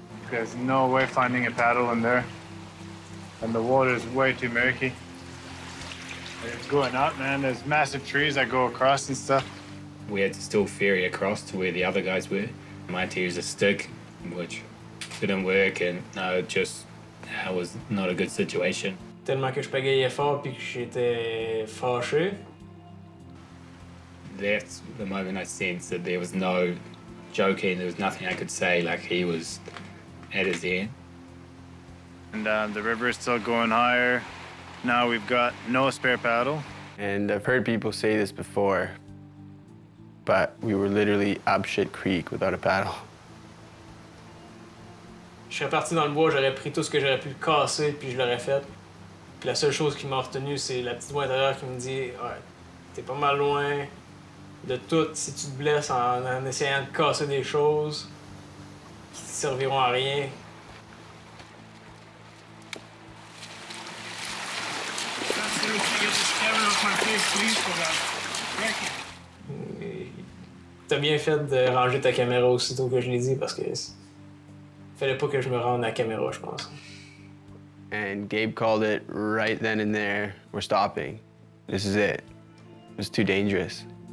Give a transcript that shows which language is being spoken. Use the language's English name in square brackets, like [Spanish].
[English] There's no way finding a paddle in there. And the water is way too murky. It's going up, man. There's massive trees that go across and stuff. We had to still ferry across to where the other guys were. I had to use a stick, which didn't work, and no, it just that was not a good situation. [French] Tellement que je pagayais fort puis que j'étais fâché. [English] That's the moment I sensed that there was no joking. There was nothing I could say. Like he was at his end. And the river is still going higher. Now we've got no spare paddle. And I've heard people say this before, but we were literally up shit creek without a paddle. [French] Je serais parti dans le bois, j'aurais pris tout ce que j'aurais pu casser, puis je l'aurais fait. Puis la seule chose qui m'a retenu, c'est la petite voix intérieure qui me dit, ouais, t'es pas mal loin de tout. Si tu te blesses en essayant de casser des choses, qui ne serviront à rien. T'as bien fait de ranger ta caméra aussitôt que je l'ai dit parce que fallait pas que je me rende à la caméra, je pense. [English] And Gabe called it right then and there. We're stopping. This is it. It's too dangerous.